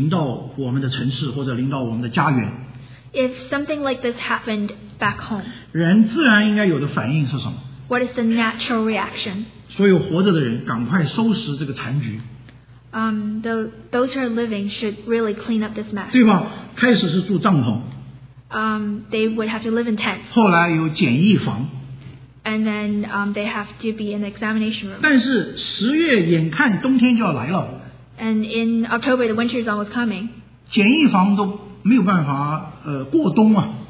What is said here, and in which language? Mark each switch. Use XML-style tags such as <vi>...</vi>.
<zh>当这么可怕的事情临到我们的城市或者临到我们的家园,</zh> <en>If something like this happened back home,</en> <zh>人自然应该有的反应是什么?</zh> <en>What is the natural reaction?</en> <zh>所有活着的人赶快收拾这个残局。</zh> <en>Those who are living should really clean up this mess.</en> <zh>对吧?开始是住帐篷。</zh> <en>They would have to live in tents.</en> <zh>后来有简易房。</zh> <en>And then they have to be in the examination room.</en> <zh>但是10月眼看冬天就要来了。</zh> <en>And in October, the winter is almost coming.</en> <zh>简易房都没有办法过冬啊。</zh>